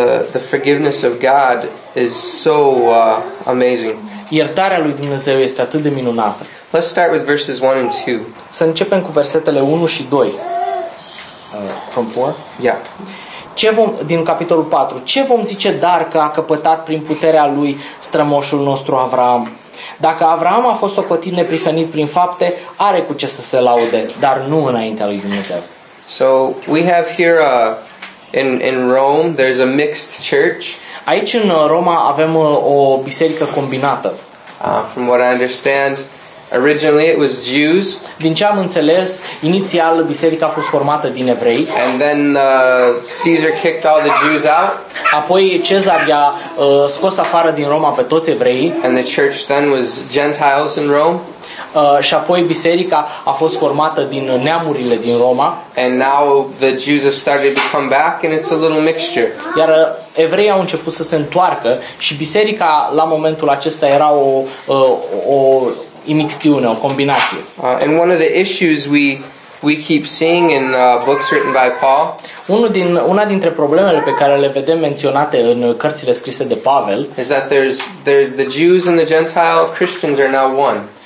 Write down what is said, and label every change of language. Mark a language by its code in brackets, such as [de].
[en] The forgiveness of God is so amazing. [ro] Iertarea lui Dumnezeu este atât de minunată. [en] Let's start with verses 1 and 2. [ro] Să începem cu versetele 1 și 2. [en] From 4? Yeah. [ro] Din capitolul 4. Ce vom zice dar că a căpătat prin puterea lui strămoșul nostru Avraam? Dacă Avraam a fost socotit neprihănit prin fapte, are cu ce să se laude, dar nu înaintea lui Dumnezeu. [en] So, we have here in Rome, there's a mixed church. [ro] Aici în Roma avem o biserică combinată. [en] From what I understand, originally it was Jews. [ro] Din ce am înțeles, inițial biserica a fost formată din evrei. [en] And then Caesar kicked all the Jews out. [ro] Apoi Cezar i-a scos afară din Roma pe toți evrei. [en] And the church then was Gentiles in Rome. [ro] Și apoi biserica a fost formată din neamurile din Roma. [en] And now the Jews have started to come back and it's a little mixture. [ro] Iar evreii au început să se întoarcă și biserica la momentul acesta era o mixtiune, o combinație. [en] And one of the issues we keep seeing in books written by Paul. [ro] Una dintre problemele pe care le vedem menționate în cărțile scrise de Pavel [en] is that the Jews and the Gentile Christians are now one.